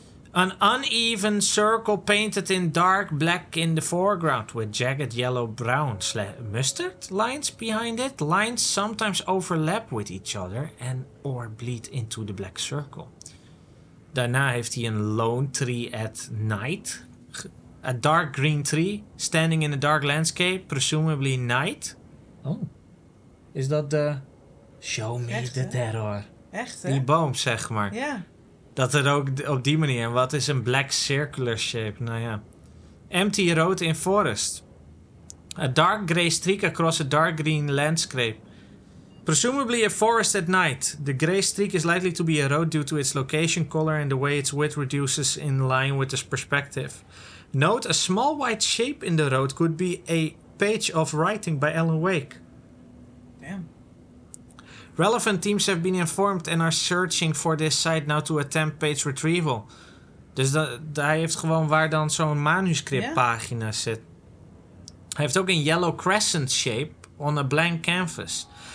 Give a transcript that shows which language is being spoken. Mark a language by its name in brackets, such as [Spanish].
[English] An uneven circle painted in dark black in the foreground with jagged yellow brown mustard lines behind it. Lines sometimes overlap with each other and or bleed into the black circle. [Dutch] Daarna heeft hij een [English] lone tree at night. A dark green tree standing in a dark landscape, presumably night. [Dutch] Oh, is dat de show me echt, [English] the terror? [Dutch] Echt, hè? Die boom, zeg maar. Ja. Dat er ook op die manier. En wat is een [English] black circular shape? [Dutch] Nou ja. [English] Empty road in forest. A dark grey streak across a dark green landscape. Presumably a forest at night. The grey streak is likely to be a road due to its location, color and the way its width reduces in line with this perspective. Note a small white shape in the road could be a page of writing by Alan Wake. Damn. Relevant teams have been informed and are searching for this site now to attempt page retrieval. [Dutch] Dus hij heeft gewoon waar dan zo'n manuscriptpagina zit. Hij heeft ook een [English] yellow crescent shape on a blank canvas.